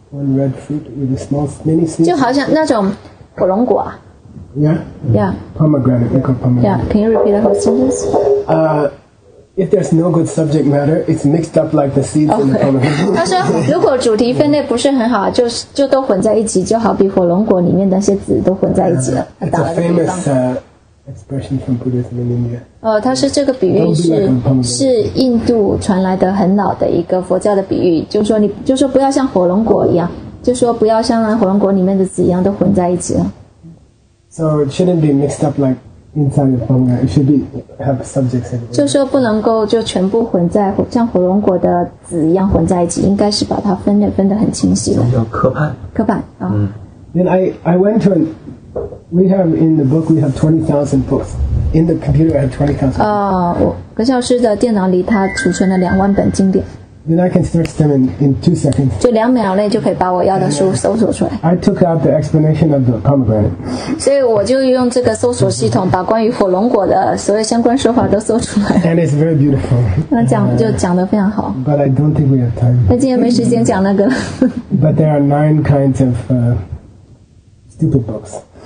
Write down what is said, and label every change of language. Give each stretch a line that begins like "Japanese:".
English: One red fruit with a small many seeds.
Chinese: 就好像那种火龙果啊。
English: Yeah. Pomegranate. They call pomegranate. Yeah. Can you repeat the whole sentence? If there's no good subject matter, it's mixed up like the seeds in the pomegranate.
Chinese: 他说，如果主题分类不是很好，就都混在一起，就好比火龙果里面那些籽都混在一起了。
English: It's a famous expression from Buddhism in India.
Chinese: 他说这个比喻是印度传来的很老的一个佛教的比喻，就说你就说不要像火龙果一样，就说不要像火龙果里面的籽一样都混在一起了。
English: So it shouldn't be mixed up like inside the pomegranate. It should be have subjects in it.
Chinese: 就说不能够就全部混在像火龙果的籽一样混在一起，应该是把它分类分得很清晰的。叫科判。科判啊。
English: Then I went to we have in the book we have 20,000 books in the computer. I have 20,000.
Chinese: 葛教师的电脑里他储存了两万本经典。
English: Then I can search them in 2 seconds.
Chinese: 就两秒内就可以把我要的书搜索出来。
English: I took out the explanation of the pomegranate.
Chinese: 所以我就用这个搜索系统把关于火龙果的所有相关说法都搜出来。
English: And it's very beautiful.
Chinese: 那讲就讲得非常好。
English: But I don't think we have time.
Chinese: 那今天没时间讲那个。
English: But there are 9 kinds of stupid books.